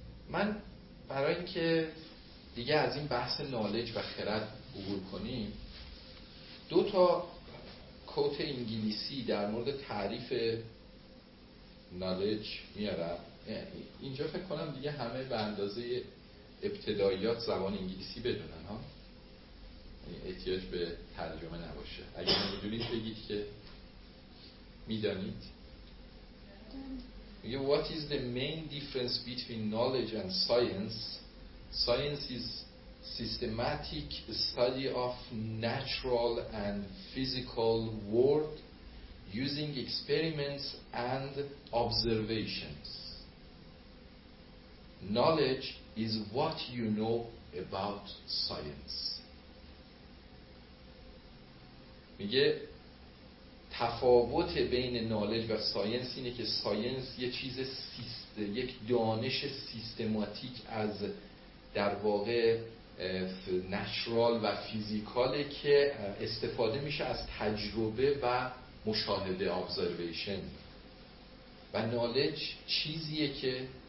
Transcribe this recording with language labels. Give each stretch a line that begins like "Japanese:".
Persian: من برای اینکه دیگه از این بحث نالج و خرد عبور کنیم، دو تا کوت انگلیسی در مورد تعریف نالج میارم اینجا فکر کنم دیگه همه به اندازه ابتداییات زبان انگلیسی بدونن ها، احتیاج به ترجمه نباشه. اگه میدونید بگید که میدانید.
English: What is the main difference between knowledge and science? Science is systematic study of natural and physical world using experiments and observations. Knowledge is what you know about science.
Persian: میگه تفاوت بین نالج و ساینس اینه که ساینس یه چیز سیسته، یک دانش سیستماتیک از در واقع نچرال و فیزیکاله که استفاده میشه از تجربه و مشاهده observation، و نالج چیزیه که